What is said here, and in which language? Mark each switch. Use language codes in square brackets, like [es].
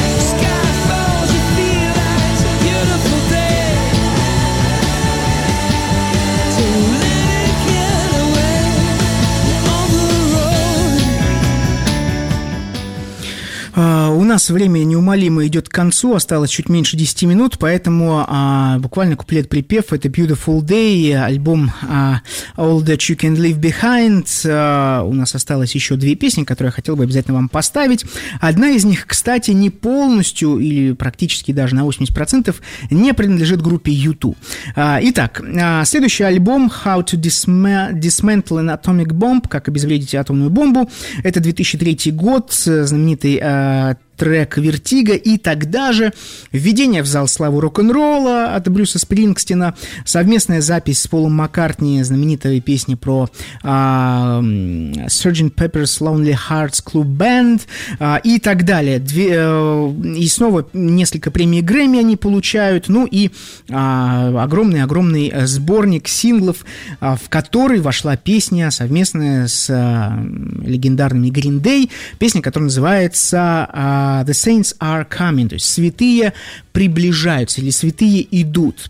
[en] Sky falls, you feel like it's a beautiful day. To let it get away, you're on the road. [ru] У нас время неумолимо идет к концу, осталось чуть меньше 10 минут, поэтому буквально куплет-припев, это «Beautiful Day», альбом «All That You Can Leave Behind». У нас осталось еще две песни, которые я хотел бы обязательно вам поставить. Одна из них, кстати, не полностью или практически даже на 80% не принадлежит группе U2. Итак, следующий альбом «How to Dismantle an Atomic Bomb», «Как обезвредить атомную бомбу», это 2003 год, знаменитый трек «Вертиго», и тогда же введение в зал славы рок-н-ролла от Брюса Спрингстина, совместная запись с Полом Маккартни знаменитой песни про Sgt. Pepper's Lonely Hearts Club Band и так далее. И снова несколько премий Грэмми они получают, ну и огромный-огромный сборник синглов, в который вошла песня совместная с легендарными Green Day, песня, которая называется «The Saints Are Coming», то есть «Святые приближаются» или «Святые идут».